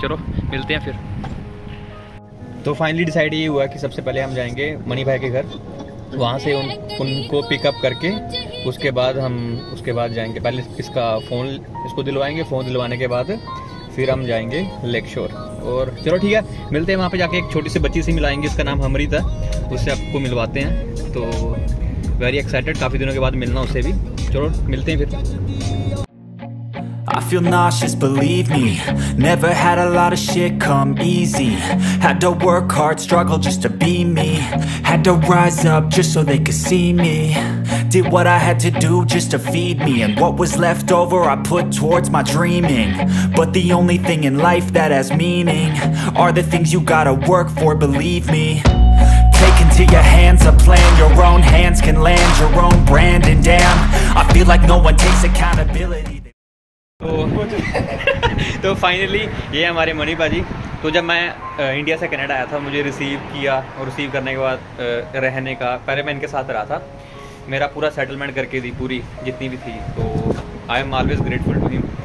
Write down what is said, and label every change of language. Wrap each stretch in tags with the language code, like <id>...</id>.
<hi>चलो मिलते हैं फिर। तो फाइनली डिसाइड ये हुआ कि सबसे पहले हम जाएंगे मनी भाई के घर, वहाँ से उनको पिकअप करके उसके बाद जाएंगे, पहले इसका फ़ोन इसको दिलवाएंगे, फ़ोन दिलवाने के बाद फिर हम जाएंगे लेक शोर। और चलो ठीक है, मिलते हैं वहाँ पे जाके, एक छोटी सी बच्ची से मिलाएंगे, उसका नाम हमरीता, उससे आपको मिलवाते हैं। तो</hi> <en>very excited,</en> <hi>काफ़ी दिनों के बाद मिलना उसे भी। चलो मिलते हैं फिर।</hi> <en>I feel nauseous, believe me. Never had a lot of shit come easy. Had to work hard, struggle just to be me. Had to rise up just so they could see me. Did what I had to do just to feed me. And what was left over I put towards my dreaming. But the only thing in life that has meaning are the things you gotta work for, believe me. To your hands a plan, your own hands can land your own brand. And damn, I feel like no one takes accountability.</en> <hi>तो finally ये हमारे money भाजी। तो जब मैं India से Canada आया था, मुझे रिसीव किया, और रिसीव करने के बाद रहने का, पहले मैं इनके साथ रहा था, मेरा पूरा सेटलमेंट करके दी पूरी जितनी भी थी, तो</hi> <en>I am always grateful to him.</en>